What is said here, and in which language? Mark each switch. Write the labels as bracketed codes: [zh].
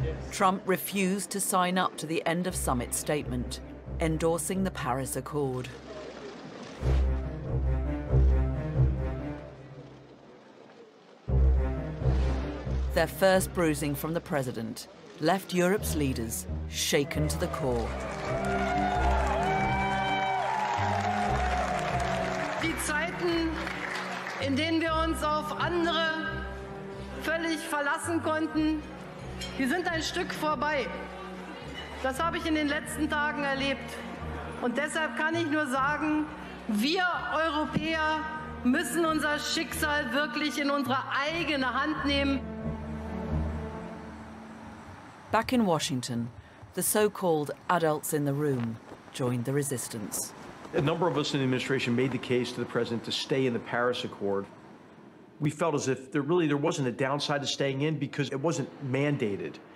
[en] Trump refused to sign up to the end of summit statement, endorsing the Paris Accord. Their first bruising from the president left Europe's leaders shaken to the core. [de] Die Zeiten, in denen wir uns auf andere völlig verlassen konnten, die sind ein Stück vorbei. Das habe ich in den letzten Tagen erlebt. Und deshalb kann ich nur sagen, wir Europäer müssen unser Schicksal wirklich in unsere eigene Hand nehmen. [en] Back in Washington, the so-called adults in the room joined the resistance. A number of us in the administration made the case to the president to stay in the Paris Accord. We felt as if there wasn't a downside to staying in because it wasn't mandated.